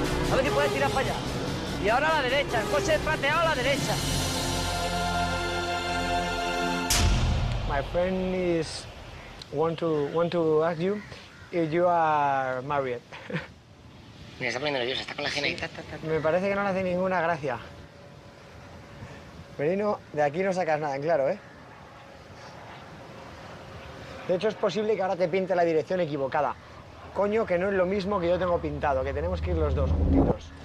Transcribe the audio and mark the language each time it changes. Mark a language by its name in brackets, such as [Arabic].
[Spanish] A ver si puedes tirar para allá. Y ahora a la derecha. El coche es plateado a la derecha. [English] My friend is want to ask you if you are married. [Spanish] Mira, está poniendo nerviosa, está con la genética. Sí. Me parece que no le hace ninguna gracia. Merino, de aquí no sacas nada en claro, ¿eh? De hecho, es posible que ahora te pinte la dirección equivocada. Coño, que no es lo mismo que yo tengo pintado, que tenemos que ir los dos juntitos.